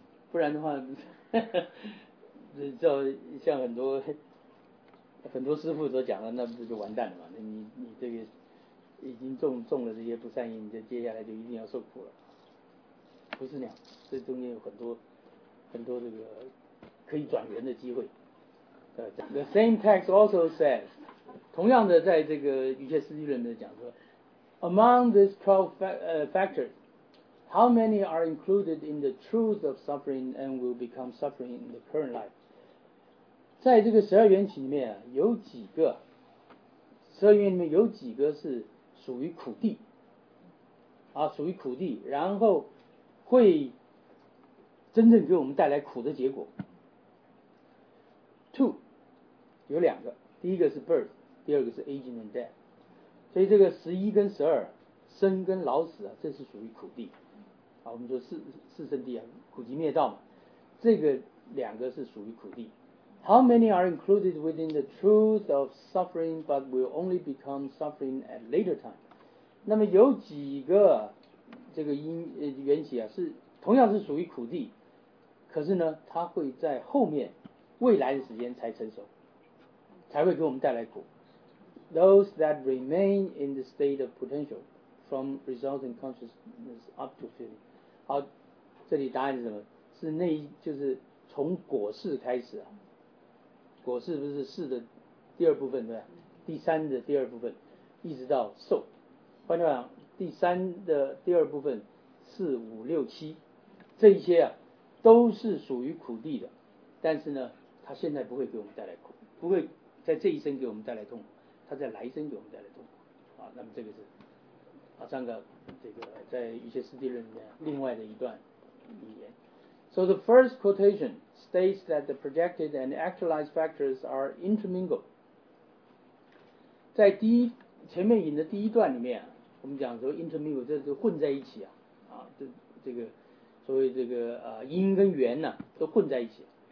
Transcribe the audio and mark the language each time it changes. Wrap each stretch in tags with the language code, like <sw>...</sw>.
<zh>不然的话，呵呵，像很多师父所讲的，那不是就完蛋了嘛？你这个。已经中了这些不善因，就接下来就一定要受苦了，不是那样，这中间有很多很多这个可以转缘的机会。</zh> <en>The same text also says，</en> <zh>同样的，在这个瑜伽师地论里面讲说</zh> <en>，Among these 12 factors， how many are included in the truth of suffering and will become suffering in the current life？</en> <zh>在这个十二缘起里面啊，有几个十二缘里面有几个是属于苦地啊，属于苦地，然后会真正给我们带来苦的结果。 Two 有两个，第一个是 birth， 第二个是 aging and death。所以这个十一跟十二，生跟老死啊，这是属于苦地啊，我们说四圣地啊，苦集灭道嘛，这个两个是属于苦地。</zh> <en>How many are included within the truth of suffering but will only become suffering at later time？</en> <zh>那么有几个这个因缘起啊，是同样是属于苦地，可是呢它会在后面未来的时间才成熟，才会给我们带来苦。</zh> <en>Those that remain in the state of potential from resulting consciousness up to feeling。</en> <zh>好，这里答案是什么？是那一就是从果事开始啊，果事不是事的第二部分，对吧？第三的第二部分一直到受，换句话讲，第三的第二部分四五六七这一些啊，都是属于苦地的，但是呢他现在不会给我们带来苦，不会在这一生给我们带来痛苦，他在来生给我们带来痛苦啊。那么这个是阿三哥这个在瑜伽师地论里面另外的一段语言。</zh> <en>So the first quotation states that the projected and actualized factors are intermingled。</en> <zh>在第一前面引的第一段里面，我们讲说 intermingle 这是混在一起啊，啊，这个所谓这个因跟缘呢、啊、都混在一起。</zh>